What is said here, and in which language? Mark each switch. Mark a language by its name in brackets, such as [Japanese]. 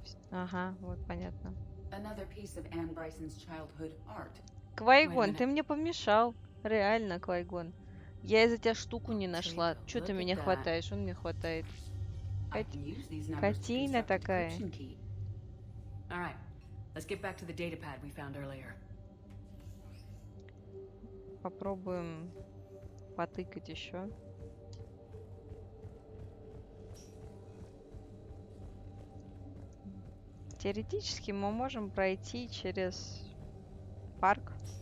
[Russian] Ага, вот понятно. [English] Another piece of Ann Bryson's childhood art. [Russian] Квайгон, ты мне помешал. Реально, Квайгон. Я из-за тебя штуку не нашла. Че ты меня хватаешь? Он мне хватает. Котейна такая. [English] Alright. Let's get back to the data pad we found earlier. [Russian] Попробуем потыкать еще. Теоретически мы можем пройти через парк.